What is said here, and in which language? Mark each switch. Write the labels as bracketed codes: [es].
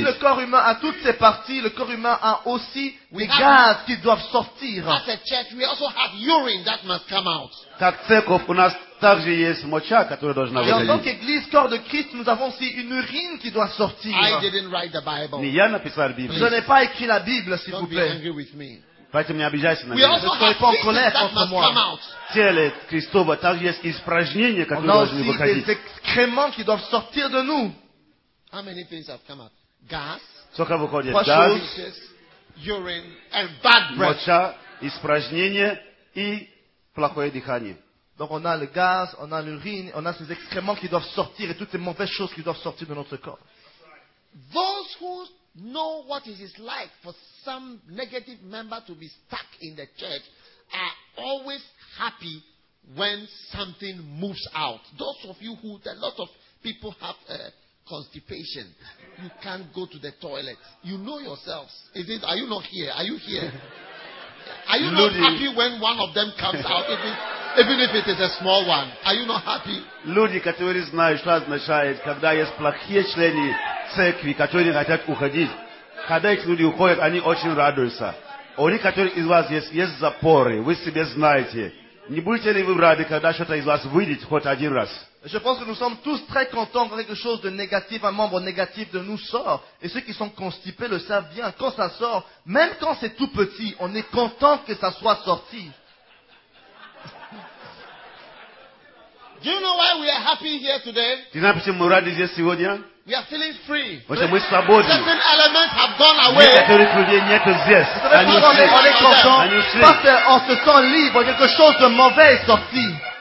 [fr] le corps humain a toutes ses parties, le corps humain a aussi des gaz qui doivent sortir. [en] As a church, we also have urine that must come out. [ru] Как церковь, у нас также есть моча, которая должна выходить. [fr] Et en tant qu'église, corps de Christ, nous avons aussi une urine qui doit sortir. [en] I didn't write the Bible. [ru] Не я написал Библию. [fr] Je n'ai pas écrit la Bible, s'il [en] Don't [fr] vous plaît. [en] Be angry with me. [ru] Поэтому не обижайся на меня. Мы тоже имеем тело Христово, также есть испражнения, которые должны выходить. [fr] Des excréments qui doivent sortir de nous. [en] How many things have come out? Gas. [ru] Сколько выходит? Газ, [en] urine and bad breath. [ru] Моча, испражнения и плохое дыхание. [fr] Donc on a le gaz, on a l'urine, on a ces excréments qui doivent sortir et toutes ces mauvaises choses qui doivent sortir de notre corps. [en] Those who know what it is like for some negative member to be stuck in the church are always happy when something moves out. Those of you who, a lot of people have constipation, you can't go to the toilet. You know yourselves. Is it? Are you not here? Are you here? Are you not happy when one of them comes out? Even if it is a small one, are you not happy? [ru] Люди, которые знают, что означает, когда есть плохие члены церкви, которые хотят уходить, когда эти люди уходят, они очень радуются. У них, которые из вас есть запоры, вы себе знаете. Не будете ли вы рады, когда что-то из вас выйдет хоть один раз? [fr] Je pense que nous sommes tous très contents quand quelque chose de négatif, un membre négatif de nous sort. Et ceux qui sont constipés le savent bien. Quand ça sort, même quand c'est tout petit, on est content que ça soit sorti. [en] Do you know why we are happy here today? [fr] Tu sais pourquoi nous sommes heureux ici aujourd'hui? [en] We are feeling free. [fr] Nous sommes libres. [en] Certain elements have gone away. [fr] Certains éléments n'ont plus existé. On est content. Parce qu'on se sent libre. Quelque chose de mauvais est sorti.